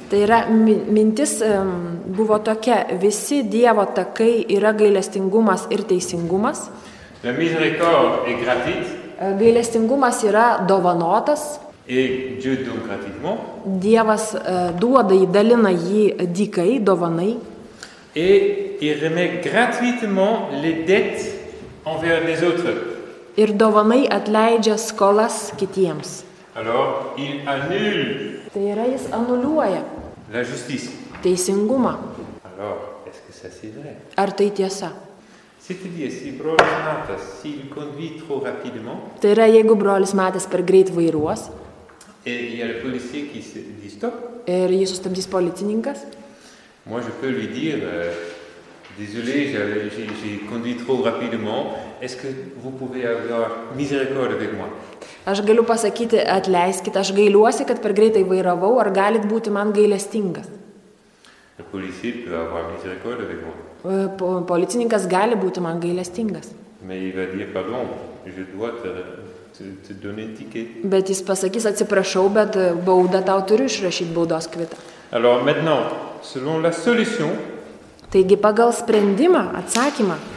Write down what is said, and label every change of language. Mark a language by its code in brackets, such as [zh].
[lt] Tai yra, mintis buvo tokia, visi Dievo takai yra gailestingumas ir teisingumas. [fr] La miséricorde est gratuite. [lt] Gailestingumas yra dovanotas. Dievas duoda jį, dalina jį dykai, dovanai. Ir dovanai atleidžia skolas kitiems. [fr] Alors, il annule. [lt] Tai yra, jis anuliuoja [fr] la justice. [lt] Teisingumą. [fr] Alors, est-ce que ça, c'est vrai? [lt] Ar tai tiesa? Tai yra, jeigu brolis Matas per greit vairuos ir jį sustabdys policininkas. [fr] Moi, je peux lui dire, désolé, j'ai conduit trop rapidement. Est-ce que vous pouvez avoir miséricorde avec moi? [lt] Aš galiu pasakyti, atleiskit, aš gailiuosi, kad per greitai vairavau, ar galit būti man gailestingas? [fr] Le policier peut avoir miséricorde avec moi. [lt] Policininkas gali būti man gailestingas. [fr] Mais il va dire pardon, je dois te donner un ticket. [lt] Bet jis pasakys, atsiprašau, bet baudą tau turiu išrašyti, baudos kvitą. [fr] Alors maintenant, selon la solution. [lt] Taigi pagal sprendimą, atsakymą.